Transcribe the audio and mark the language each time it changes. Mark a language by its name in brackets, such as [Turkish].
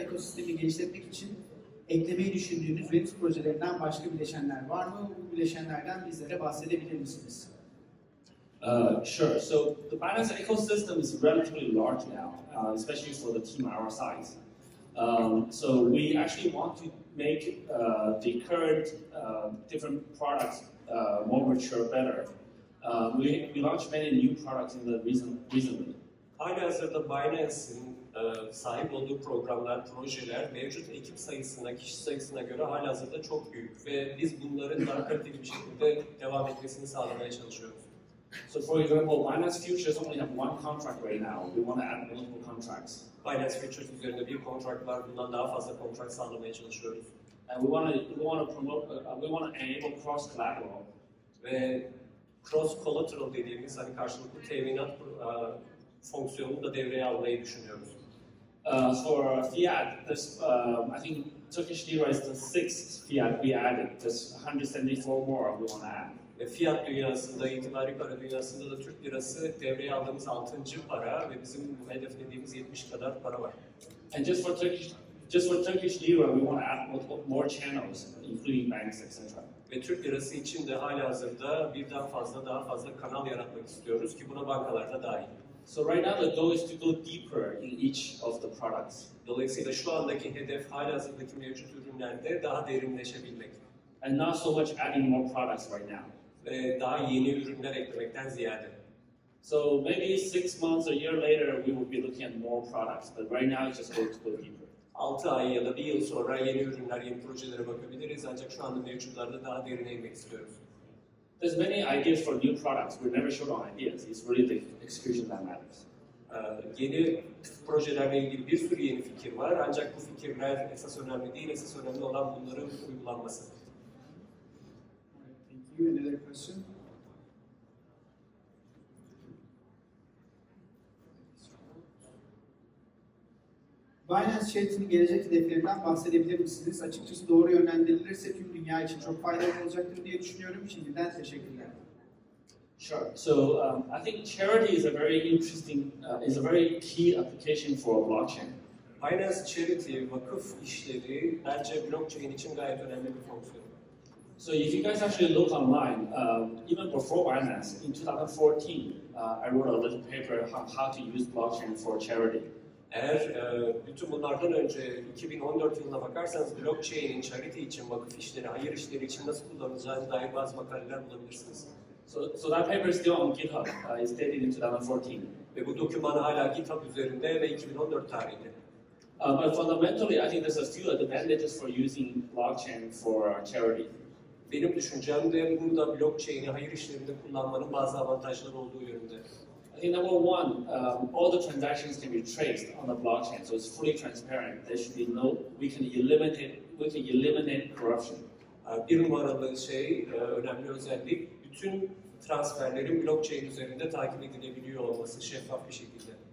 [Turkish] Ekosistemi genişletmek için eklemeyi düşündüğünüz Linux projelerinden başka bileşenler var mı? Bu bileşenlerden bizlere bahsedebilir misiniz? [English] Sure. So the Binance ecosystem is relatively large now, especially for the team our size. So we actually want to make the current different products more mature, better. We launched many new products in the recently. [Turkish] Halihazırda Binance'in sahip olduğu programlar, projeler mevcut ekip sayısına, kişi sayısına göre halihazırda çok büyük ve biz bunların daha kaliteli bir şekilde devam etmesini sağlamaya çalışıyoruz. [English] So for example, Binance Futures only have one contract right now. We want to add multiple contracts. [Turkish] Binance Futures üzerinde bir kontrat var. Bundan daha fazla kontrat sağlamaya çalışıyoruz. [English] And we want to enable cross collateral. [Turkish] Ve cross collateral dediğimiz hani karşılıklı teminat fonksiyonunu da devreye almayı düşünüyoruz. [English] For fiat, this I think Turkish lira is the sixth fiat we added. There's 174 more we want to add. [Turkish] Ve fiat dünyasında, itibari para dünyasında da Türk lirası devreye aldığımız 6. para ve bizim hedeflediğimiz 70 kadar para var. [English] And just for Turkish lira, we want to add more channels, including banks, etc. [Turkish] Ve Türk lirası için de halihazırda birden fazla daha fazla kanal yaratmak istiyoruz ki buna bankalar da dahil. [English] So right now the goal is to go deeper in each of the products. [Turkish] Dolayısıyla şu andaki hedef halihazırdaki mevcut ürünlerde daha derinleşebilmek. [English] And not so much adding more products right now. [Turkish] Ve daha yeni ürünler eklemekten ziyade. [English] So maybe 6 months or a year later we will be looking at more products, but right now it's just going to go deeper. [Turkish] 6 ay ya da 1 yıl sonra yeni ürünler, yeni projelere bakabiliriz ancak şu anda mevcutlarda daha derine inmek istiyoruz. [English] There's many ideas for new products. We're never short on ideas. It's really the execution that matters. [Turkish] Yeni projelerle ilgili bir sürü yeni fikir var ancak bu fikirler esas önemli değil. Esas önemli olan bunların uygulanması. [English] Thank you. Another question? [Turkish] Binance Chain'in gelecek hedeflerinden bahsedebilir misiniz? Açıkçası doğru yönlendirilirse tüm dünya için çok faydalı olacaktır diye düşünüyorum. Şimdiden teşekkürler. [English] Sure. So I think charity is a very interesting, is a very key application for blockchain. [Turkish] Binance Charity, vakıf işleri bence blockchain için gayet önemli bir fonksiyon. [English] So if you guys actually look online, even before Binance, in 2014, I wrote a little paper on how to use blockchain for charity. [Turkish] Eğer bütün bunlardan önce 2014 yılına bakarsanız blockchain'in charity için, vakıf işleri, hayır işleri için nasıl kullanılacağına dair bazı makaleler bulabilirsiniz. [English] So that paper is still on GitHub. It's dated in 2014. [Turkish] Ve bu doküman hala GitHub üzerinde ve 2014 tarihinde. [English] But fundamentally I think there's a few advantages for using blockchain for charity. [Turkish] Benim düşüncem de burada blockchain'i hayır işlerinde kullanmanın bazı avantajları olduğu yönünde. [English] Okay, number one, all the transactions can be traced on the blockchain, so it's fully transparent. There should be no, we can eliminate corruption. [Turkish] Bir numaralı şey, önemli özellik, bütün transferlerin blockchain üzerinde takip edilebiliyor olması, şeffaf bir şekilde.